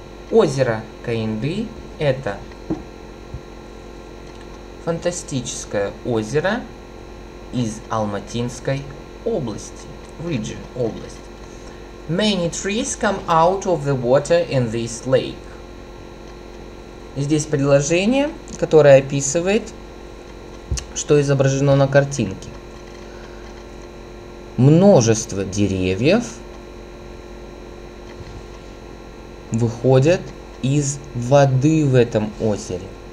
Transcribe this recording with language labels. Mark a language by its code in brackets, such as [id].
[ru] Озеро Кайнды – это фантастическое озеро из Алматинской области. [en] Region – область. Many trees come out of the water in this lake. [ru] Здесь предложение, которое описывает, что изображено на картинке. Множество деревьев выходят из воды в этом озере.